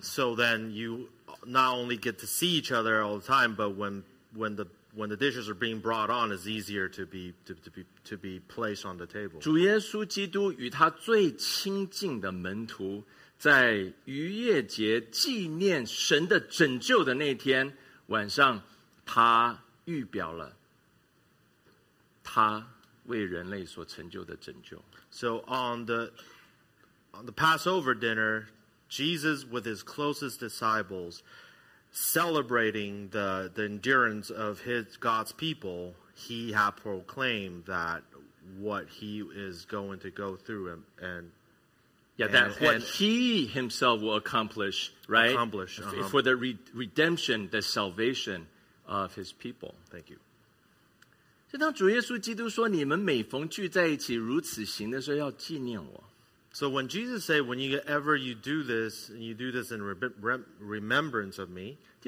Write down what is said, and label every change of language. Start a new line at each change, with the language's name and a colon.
English: So then you not only get to see each other all the time, but when the dishes are being brought on, it's easier to be placed on the table.
Chinese: 主耶稣基督与他最亲近的门徒 在逾越节纪念神的拯救的那天晚上，他预表了他为人类所成就的拯救。
English: So on the Passover dinner, Jesus with his closest disciples, celebrating the endurance of his God's people, he had proclaimed that what he is going to go through and Yeah, that what he himself will accomplish, right? Accomplish, uh-huh. For the redemption, the salvation of his people. Thank you.
Chinese: 所以当主耶稣基督说你们每逢聚在一起如此行的时候要纪念我。
English: So when Jesus said, whenever you do this, and you do this in remembrance of me,